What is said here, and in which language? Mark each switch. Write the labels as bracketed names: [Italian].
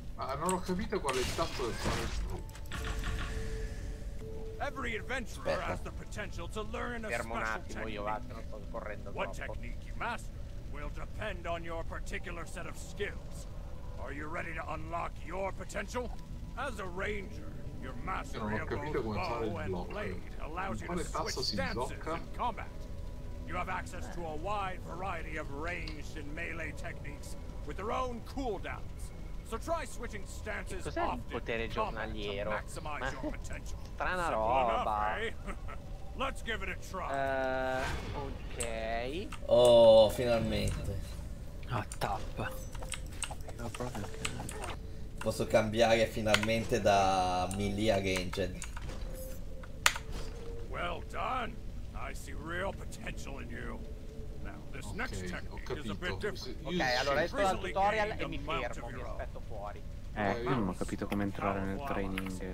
[Italian] Ma non ho capito qual è il tasto del fare tu. [English] Every adventurer has the potential to learn a special technique. [Italian] Fermo un attimo, io vado, non sto correndo troppo. [English] What technique you master will depend on your particular set of skills. Are you ready to unlock your potential? As a ranger, your mastery of both bow and blade allows you to switch stances in combat. You have access to a wide variety of ranged and melee techniques with their own cooldowns. So try switching stances often in combat to maximize your potential. [Italian] Strana roba. [English] Let's give it a try. [Italian] Oh, finalmente. Ah, top. Posso cambiare finalmente da melee a ranged. [English] Well done. I see real potential in you. Now, this next technique is a bit different. [Italian] Ok, allora esco dal tutorial e mi fermo, mi aspetto fuori. Io non ho capito come entrare nel training.